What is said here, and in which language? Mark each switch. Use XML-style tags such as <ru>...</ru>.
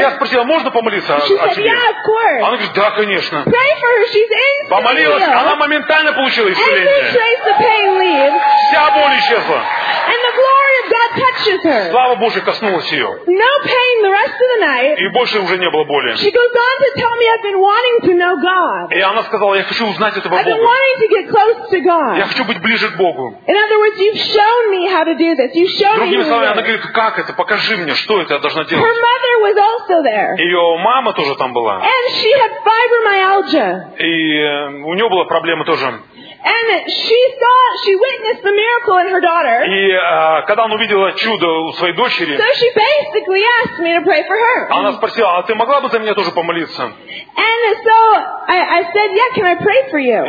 <ru>Я спросила, можно помолиться о тебе?</ru> <en>Yeah,</en> <ru>она говорит, да, конечно.</ru> <en>Pray for her. She's in.</en> <ru>Помолилась, она моментально получила исцеление.</ru> <en>And trace the pain leaves.</en> <ru>Вся боль исчезла.</ru> <en>And the glory of God touches her.</en> <ru>Слава Божия коснулась ее.</ru> <en>No pain the rest of the night.</en> <ru>И больше уже не было боли.</ru> <en>She goes on to tell me I've been wanting to know God.</en> <ru>И она сказала, я хочу узнать этого Бога.</ru> <en>I've been wanting to get close to God.</en> <ru>Я хочу быть ближе к Богу.</ru> <en>In other words, you've shown me how to do this. You've shown me.</en> <ru>Другими словами, она говорит, как это? Покажи мне, что это я должна делать.</ru> <en>Her mother was also there.</en> <ru>Ее мама тоже там была.</ru> <en>And she had fibromyalgia.</en> <ru>И у нее была проблема тоже.</ru> <en>And she witnessed the miracle in her daughter.</en> <ru>И когда она увидела чудо у своей дочери,</ru> <en>so she basically asked me to pray for her.</en> <ru>Она спросила, а ты могла бы за меня тоже помолиться?</ru> <en>And so I said, yeah, can I pray for you?</en>